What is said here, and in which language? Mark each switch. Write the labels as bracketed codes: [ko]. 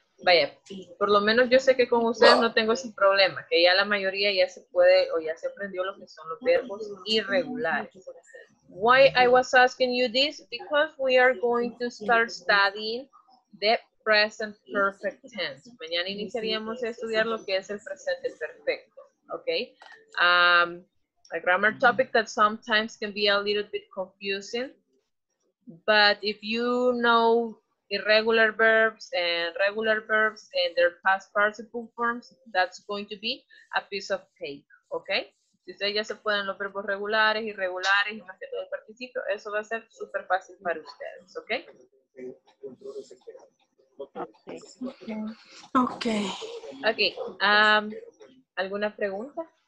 [es] Vaya, por lo menos yo sé que con ustedes no tengo ese problema, que ya la mayoría ya se puede o ya se aprendió lo que son los verbos irregulares. [en] Why I was asking you this? Because we are going to start studying the present perfect tense. [es] Mañana iniciaríamos a estudiar lo que es el presente perfecto. [en] Okay, a grammar topic that sometimes can be a little bit confusing, but if you know irregular verbs and regular verbs and their past participle forms, that's going to be a piece of cake, okay? [es] Si ustedes ya se pueden los verbos regulares, irregulares, y más que todo el participio, eso va a ser super fácil para ustedes, okay? [en] Okay. [es] Okay. ¿Alguna pregunta?